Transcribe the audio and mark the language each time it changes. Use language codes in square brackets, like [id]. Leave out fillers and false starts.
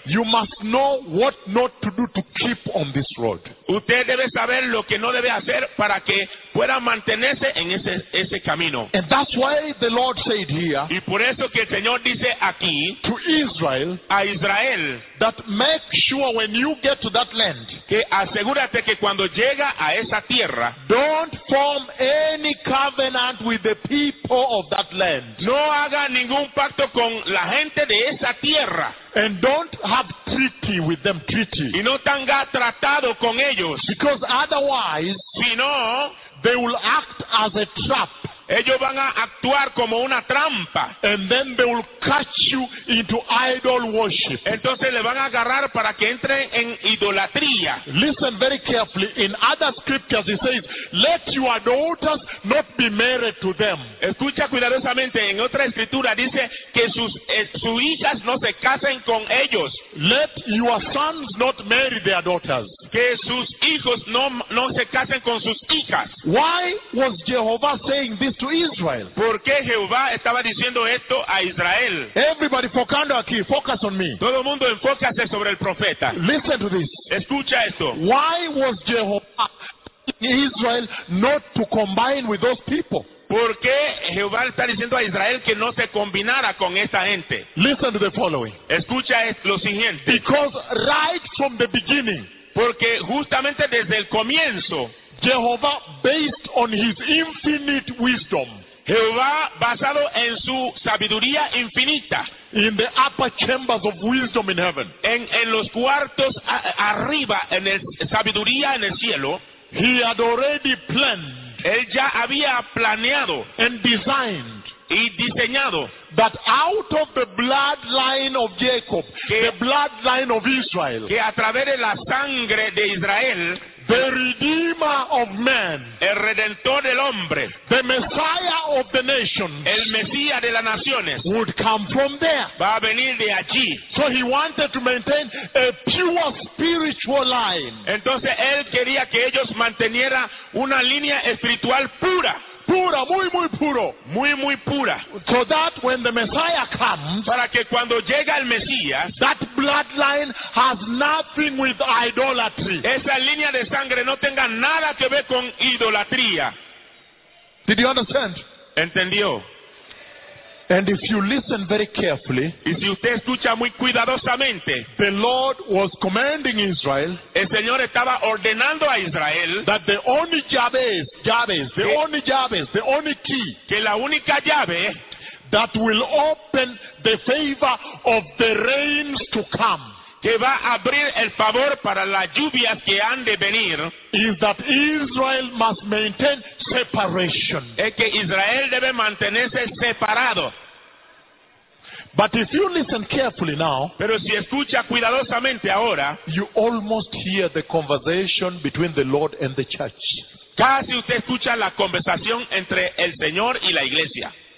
[en] You must know what not to do to keep on this road. [es] Usted debe saber lo que no debe hacer para que pueda mantenerse en ese camino. [en] And that's why the Lord said here, [es] y por eso que el Señor dice aquí, [en] to Israel, [es] a Israel, [en] that make sure when you get to that land, [es] que asegúrate que cuando llega a esa tierra, [en] don't form any covenant with the people of that land. [es] No haga ningún pacto con la gente de esa tierra. [en] And don't have treaty with them, treaty. [es] Y no tenga tratado con ellos. [en] Because otherwise, [es] sino, [en] they will act as a trap. [es] Ellos van a actuar como una trampa. [en] And then they will catch you into idol worship. [es] Entonces le van a agarrar para que entre en idolatría. [en] Listen very carefully. In other scriptures he says, let your daughters not be married to them. [es] Escucha cuidadosamente. En otra escritura dice que sus hijas no se casen con ellos. [en] Let your sons not marry their daughters. [es] Que sus hijos no se casen con sus hijas. [en] Why was Jehovah saying this to Israel? [es] ¿Por qué Jehová estaba diciendo esto a Israel? [en] Everybody [es] focando aquí, [en] focus on me. [es] Todo el mundo enfócase sobre el profeta. [en] Listen to this. [es] Escucha esto. [en] Why was Jehovah in Israel not to combine with those people? [es] ¿Por qué Jehová está diciendo a Israel que no se combinara con esta gente? [en] Listen to the following. [es] Escucha lo siguiente. [en] Because right from the beginning, [es] porque justamente desde el comienzo, [en] Jehovah, based on his infinite wisdom, [es] Jehová, basado en su sabiduría infinita, [en] in the upper chambers of wisdom in heaven, [es] en los cuartos arriba, en el sabiduría en el cielo, [en] he had already planned, [es] él ya había planeado, [en] and designed, [es] y diseñado, [en] that out of the bloodline of Jacob, the bloodline of Israel, [es] que a través de la sangre de Israel, [en] the Redeemer of man, [es] el Redentor del hombre, [en] the Messiah of the nations, [es] el Mesías de las naciones, [en] would come from there. [es] Va a venir de allí. [en] So he wanted to maintain a pure spiritual line. [es] Entonces él quería que ellos mantenieran una línea espiritual pura. Pura, muy muy puro, muy muy pura. [en] So that when the Messiah comes, [es] para que cuando llega el Mesías, [en] that bloodline has nothing with idolatry. [es] Esa línea de sangre no tenga nada que ver con idolatría. [en] Did you understand? [es] Entendió. [en] And if you listen very carefully, [es] y si usted escucha muy cuidadosamente, [en] the Lord was commanding Israel, [es] el Señor estaba ordenando a Israel, [en] that the only Jabez, the only key, [es] que la única llave, [en] that will open the favor of the rains to come, [es] que va a abrir el favor para las lluvias que han de venir, [en] is that Israel must maintain separation. [es] Es que Israel debe mantenerse separado. [en] But if you listen carefully now, [es] pero si escucha cuidadosamente ahora, [en] you almost hear the conversation between the Lord and the church. [es] Casi usted escucha la conversación entre el Señor y la iglesia.